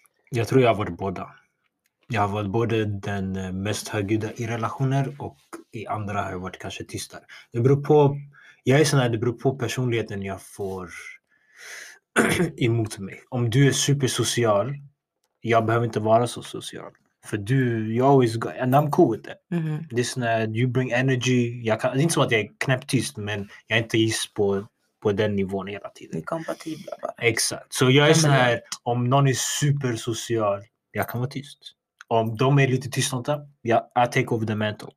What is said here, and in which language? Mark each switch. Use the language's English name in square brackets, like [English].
[Swedish] Jag tror jag har varit båda. Jag har varit både den mest högljudda i relationer och i andra har jag varit kanske tystare. Det beror på, jag är sån här, det beror på personligheten jag får emot mig. Om du är supersocial, jag behöver inte vara så social. För du, [English] you always go, and I'm cool with it. Mm-hmm. [Swedish] Det är sån här, [English] you bring energy. [Swedish] Jag kan, det är inte som att jag är knäpptyst, men jag är inte is på den nivån hela tiden. Det är kompatibla bara. Exakt. Så jag är sån här, om någon är supersocial, jag kan vara tyst. Om de är lite tyst något, [English] I take over the mantle.